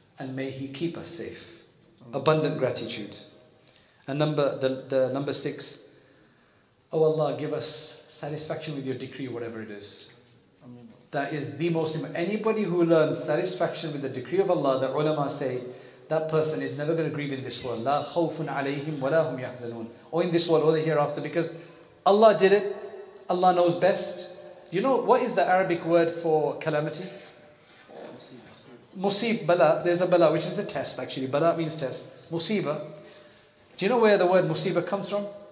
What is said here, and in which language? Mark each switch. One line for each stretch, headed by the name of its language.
English: And may He keep us safe. Abundant gratitude. And number six, O Allah, give us satisfaction with your decree, whatever it is. Amen. That is the most important. Anybody who learns satisfaction with the decree of Allah, the ulama say, that person is never going to grieve in this world.
Arabic: لا خوف عليهم ولا هم يحزنون.
English: Or in this world or the hereafter, because Allah did it. Allah knows best. You know, what is the Arabic word for calamity? Musib, bala. There's a bala, which is a test actually. Bala means test. Musiba. Do you know where the word musiba comes from?